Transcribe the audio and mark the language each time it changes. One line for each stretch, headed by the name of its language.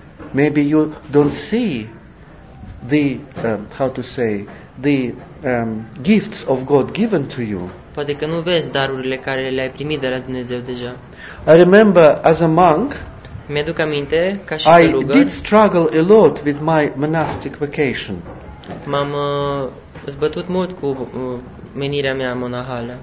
English: Maybe you don't see the how to say the gifts of God given to you.
Romanian: Poate că nu vezi darurile care le-ai primit de la Dumnezeu deja.
English: I remember as a monk,
Romanian: mi-aduc aminte ca și călugăr,
English: I did struggle a lot with my monastic vocation.
Romanian: M-am zbătut mult cu menirea mea monahală.